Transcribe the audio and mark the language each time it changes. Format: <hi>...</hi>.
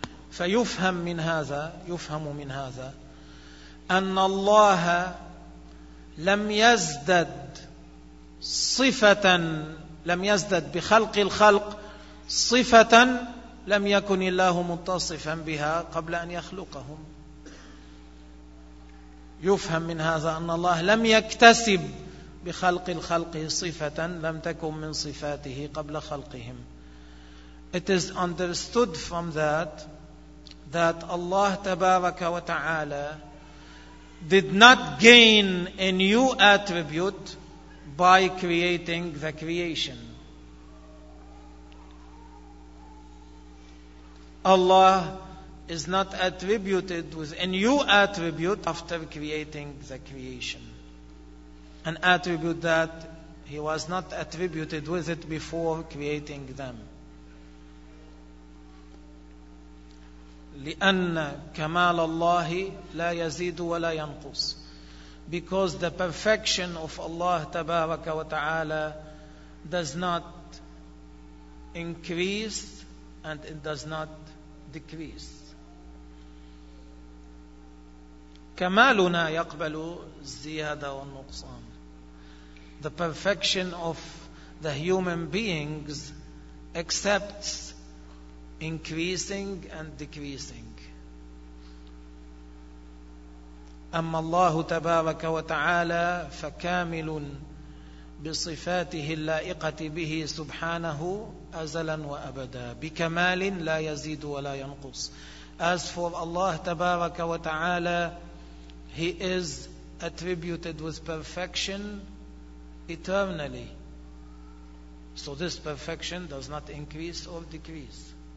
<ar>فيفهم من هذا يفهم من هذا أن الله لم يزدد صفة لم يزدد بخلق الخلق صفة لم يكن الله متصفا بها قبل أن يخلقهم. يفهم من هذا أن الله لم يكتسب بخلق الخلق صفة لم تكن من صفاته قبل خلقهم.</ar> <en>It is understood from that Allah</en> <ar>تبارك وتعالى</ar> <en>did not gain a new attribute by creating the creation. Allah is not attributed with a new attribute after creating the creation. An attribute that He was not attributed with it before creating them.</en> <ar>لأن كمال الله لا يزيد ولا ينقص.</ar> <en>Because the perfection of Allah</en> <ar>تبارك وتعالى</ar> <en>does not increase and it does not decrease.</en> <ar>كمالنا يقبل الزيادة والنقصان.</ar> <en>The perfection of the human beings accepts increasing and decreasing.</en> <ar>أما الله تبارك وتعالى فكامل بصفاته اللائقة به سبحانه أزلا وأبدا بكمال لا يزيد ولا ينقص.</ar> <en>As for Allah</en> <ar>تبارك وتعالى,</ar> <en>He is attributed with perfection eternally. So this perfection does not increase or decrease.</en>